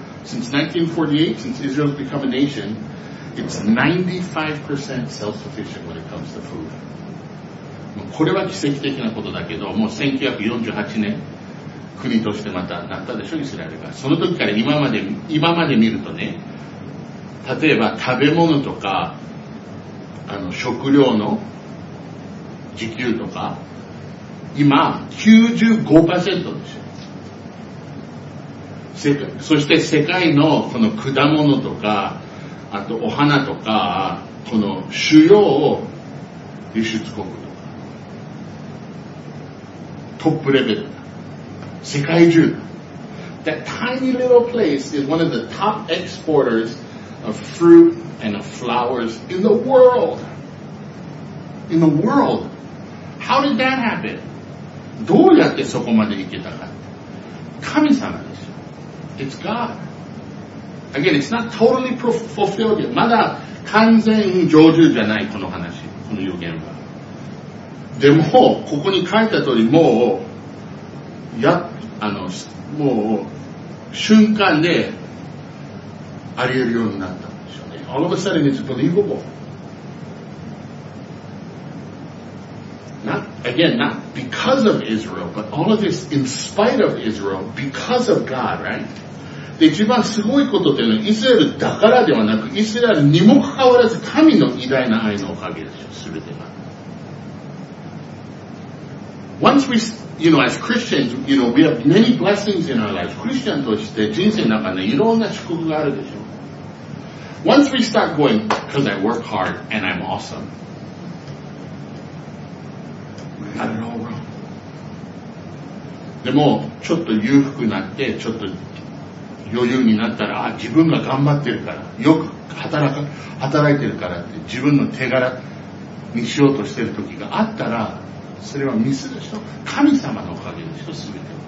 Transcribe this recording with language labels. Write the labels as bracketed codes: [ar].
[en] Since 1948, since Israel's become a nation, it's 95% self-sufficient when it comes to food. [ja] もうこれは奇跡的なことだけど、もう1948年、国としてまたなったでしょ、イスラエルが。その時から今まで見るとね、例えば食べ物とか、あの、食料の自給とか、今 95% でしょ。そして世界のこの果物とか、あとお花とか、この主要輸出国とか、トップレベル。世界中。 [en] That tiny little place is one of the top exporters of fruit and of flowers in the world. In the world. How did that happen? [ja] どうやってそこまで行けたか。 [en] 神様でしょ。 It's God. Again, it's not totally fulfilled yet. [ja] まだ完全成就じゃない、この話。この予言は。でも、ここに書いた通り、もう、やっあの、もう、瞬間で、あり得るようになったんでしょうね。 [en] All of a sudden, it's believable. Not, again, not because of Israel, but all of this in spite of Israel, because of God, right? [ja] で、一番すごいことっていうのは、イスラエルだからではなく、イスラエルにもかかわらず、神の偉大な愛のおかげでしょ、すべてが。 [en] Once we, you know, as Christians, you know, we have many blessings in our lives. [ja] Christian として人生の中にいろんな祝福があるでしょ。 [en] Once we start going, because I work hard and I'm awesome, we got it all wrong. [ja] でも、ちょっと裕福になって、ちょっと余裕になったら、あ、自分が頑張ってるから、よく働いてるからって、自分の手柄にしようとしてる時があったら、それはミスでしょ。神様のおかげでしょ、すべては。